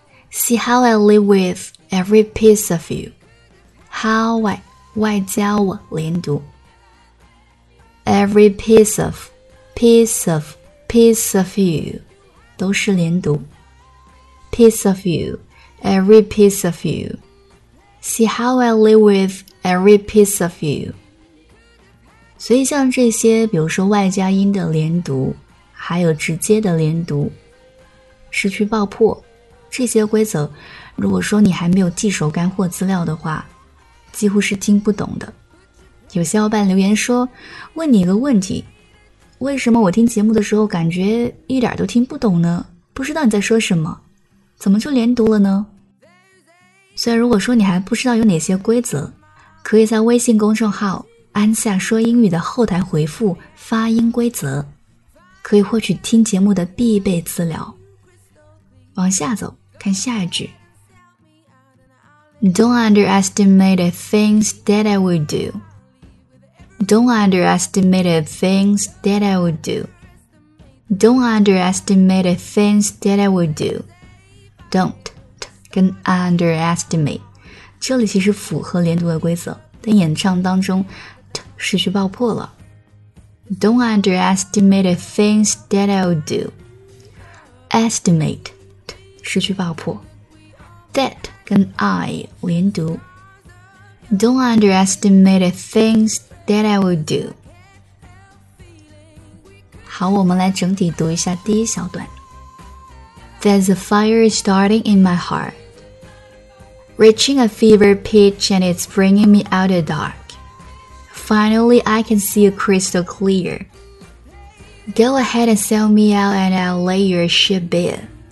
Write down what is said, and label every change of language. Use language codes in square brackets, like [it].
[en] See how I live with every piece of you. How I, [zh] 外加我连读 [en] Every piece of, piece of, piece of you. [zh] 都是连读 [en] Piece of you, every piece of you. See how I live with every piece of you. [zh] 所以像这些比如说外加音的连读还有直接的连读失去爆破这些规则如果说你还没有记手干货资料的话几乎是听不懂的有小伙伴留言说问你一个问题为什么我听节目的时候感觉一点都听不懂呢不知道你在说什么怎么就连读了呢虽然如果说你还不知道有哪些规则可以在微信公众号安夏说英语的后台回复发音规则可以获取听节目的必备资料。往下走，看下一句。 [en] Don't underestimate the things that I would do. Don't underestimate the things that I would do. Don't underestimate the things that I would do. [zh] Don't 跟 underestimate 这里其实符合连读的规则，但演唱当中 t 失去爆破了。 [en] Don't underestimate the things that I would do. Estimate t [zh] 失去爆破。 [en] That 跟 I [zh] 连读。 [en] Don't underestimate the things that I would do. [zh] 好，我们来整体读一下第一小段。 [en] There's a fire starting in my heart, reaching a fever pitch and it's bringing me out of the dark. Finally, I can see you crystal clear. Go ahead and sell me out and I'll lay your ship bare.